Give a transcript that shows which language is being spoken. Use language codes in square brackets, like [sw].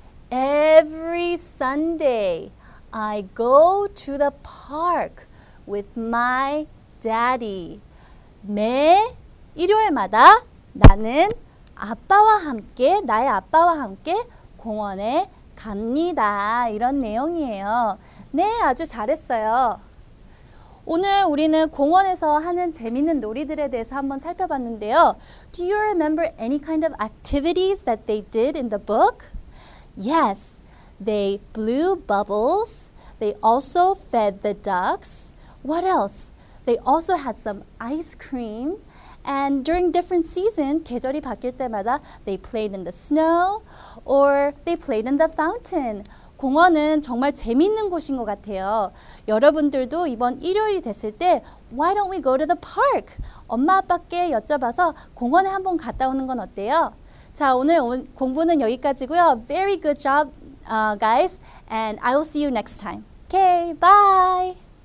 [en] Every Sunday, I go to the park with my daddy. [ko] 매 일요일마다 나는 아빠와 함께, 나의 아빠와 함께 공원에 갑니다. 이런 내용이에요. 네, 아주 잘했어요. 오늘 우리는 공원에서 하는 재밌는 놀이들에 대해서 한번 살펴봤는데요. [en] Do you remember any kind of activities that they did in the book? Yes, they blew bubbles. They also fed the ducks. What else? They also had some ice cream. And during different seasons, [ko] 계절이 바뀔 때마다 [en] they played in the snow or they played in the fountain. [ko] 공원은 정말 재밌는 곳인 것 같아요. 여러분들도 이번 일요일이 됐을 때 [en] Why don't we go to the park? [ko] 엄마, 아빠께 여쭤봐서 공원에 한번 갔다 오는 건 어때요? 자, 오늘 공부는 여기까지고요. [en] Very good job, guys. And I will see you next time. Okay, bye!